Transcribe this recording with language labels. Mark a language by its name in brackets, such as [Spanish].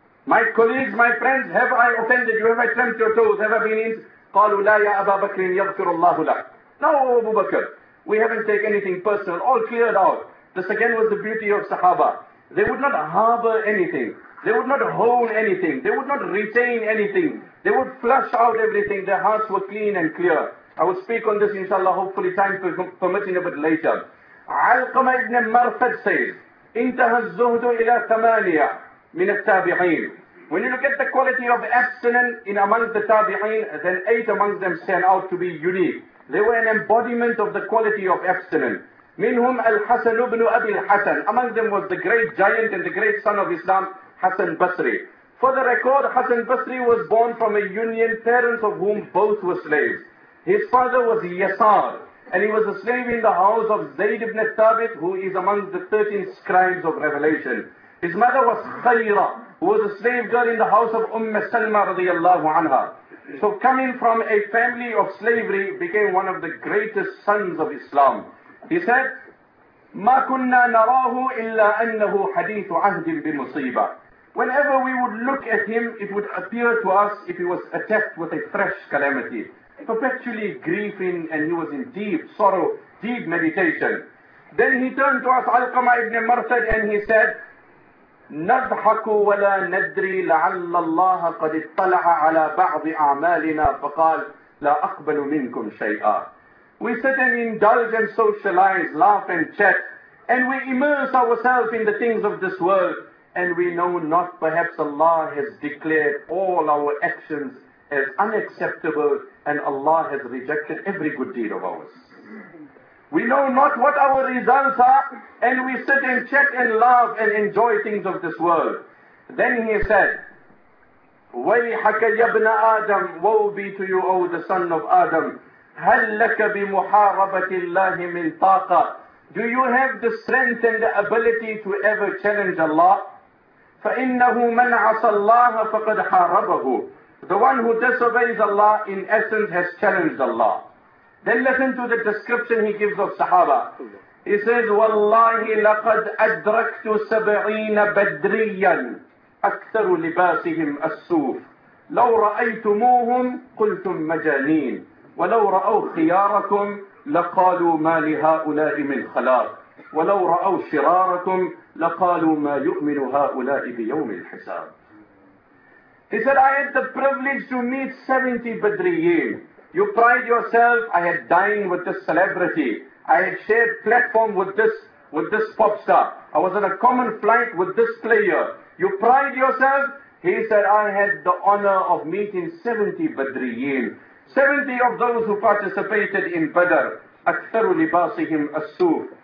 [English] My colleagues, my friends, have I offended you? Have I trampled your toes? Have I been in? [Arabic] قالوا لا يا أبا بكر يغفر الله لك. [English] No, Abu Bakr, we haven't taken anything personal. All cleared out. This again was the beauty of Sahaba. They would not harbor anything. They would not hold anything. They would not retain anything. They would flush out everything. Their hearts were clean and clear. I will speak on this, inshallah, hopefully time permitting a bit later. [Arabic] Alqama ibn Marfad [English] says, [Arabic] انتهى الزهد إلى ثمانية من التابعين. [English] When you look at the quality of abstinence in among the tabi'een, then eight amongst them stand out to be unique. They were an embodiment of the quality of abstinence. Minhum al-Hasan ibn Abi al-Hasan. Among them was the great giant and the great son of Islam, Hasan Basri. For the record, Hasan Basri was born from a union, parents of whom both were slaves. His father was Yasar, and he was a slave in the house of Zayd ibn Thabit, who is among the 13 scribes of Revelation. His mother was Khayra, who was a slave girl in the house of Umm Salma radiallahu anha. So coming from a family of slavery, became one of the greatest sons of Islam. He said, [Arabic] مَا كُنَّا نَرَاهُ إِلَّا أَنَّهُ حَدِيثُ عَهْدٍ بِمُصِيبَةٍ. [English] Whenever we would look at him, it would appear to us if he was attacked with a fresh calamity. Perpetually grieving, and he was in deep sorrow, deep meditation. Then he turned to us, Alqama ibn Marsad, and he said, [Arabic] نَضْحَكُ وَلَا نَدْرِي لَعَلَّ اللَّهَ قَدْ اطَّلَعَ عَلَىٰ بَعْضِ أَعْمَالِنَا فَقَالَ لَا أَقْبَلُ مِنْكُمْ شَيْئًا. [English] We sit and indulge and socialize, laugh and chat, and we immerse ourselves in the things of this world, and we know not, perhaps Allah has declared all our actions as unacceptable, and Allah has rejected every good deed of ours. We know not what our results are, and we sit and chat and laugh and enjoy things of this world. Then he said, [Arabic] وَيْحَكَ يَبْنَ آدَمْ. [English] Woe be to you, O the son of Adam. [Arabic] هَلْ لَكَ بِمُحَارَبَةِ اللَّهِ مِنْ طَاقَةٍ. [English] Do you have the strength and the ability to ever challenge Allah? [Arabic] فَإِنَّهُ مَنْ عَصَى اللَّهَ فَقَدْ حَارَبَهُ. [English] The one who disobeys Allah, in essence, has challenged Allah. Then listen to the description he gives of Sahaba. [Arabic] He says, وَاللَّهِ لَقَدْ أَدْرَكْتُ سَبْعِينَ بَدْرِيًّا أَكْثَرُ لِبَاسِهِمْ أَسُّوفِ لَوْ رَأَيْتُمُوهُمْ قُلْتُمْ مَجَانِينَ وَلَوْ رَأَوْ خِيَارَكُمْ لَقَالُوا مَا لِهَؤُلَاءِ مِنْ خَلَاقٍ وَلَوْ رَأَوْ شِرَارَكُمْ لَقَالُوا مَا يُؤْمِنُ هَؤُلَاءِ بِيَوْمِ الْحِسَابِ. [English] He said, I had the privilege to meet 70 [Arabic] بَدْرِيِّينَ. [English] You pride yourself, I had dined with this celebrity. I had shared platform with this pop star. I was on a common flight with this player. You pride yourself? He said, I had the honor of meeting 70 بَدْرِيِّينَ. 70 of those who participated in Badr, [Arabic] أَكْثَرُ لِبَاسِهِمْ أَسُّوفِ.